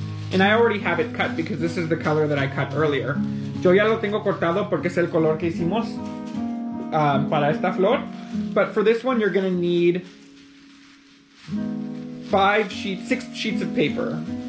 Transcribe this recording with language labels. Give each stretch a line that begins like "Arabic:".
English: And I already have it cut because this is the color that I cut earlier.
Spanish: Yo ya lo tengo cortado porque es el color que hicimos para esta flor.
English: But for this one, you're gonna need six sheets of paper.